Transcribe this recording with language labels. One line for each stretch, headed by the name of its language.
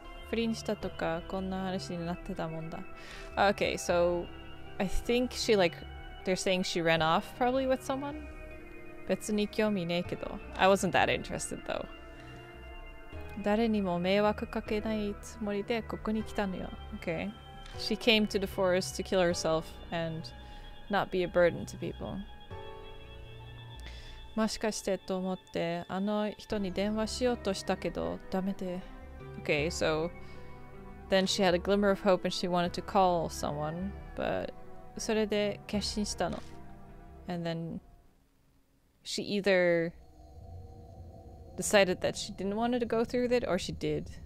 Japanese: 不倫したとかこんな話になってたもんだ。
English: Okay, so I think she like, they're saying she ran off probably with someone?
Japanese: 別に興味ねえけど。
English: I wasn't that interested though.
Japanese: 誰にも迷惑かけないつもりでここに来たのよ。
English: Okay. She came to the forest to kill herself and not be a burden to people.
Japanese: もしかしてと思ってあの人に電話しようとしたけどダメで。
English: Okay, so then she had a glimmer of hope and she wanted to call someone, but
Japanese: それで決心したの。
English: And then she either decided that she didn't want to go through with it or she did.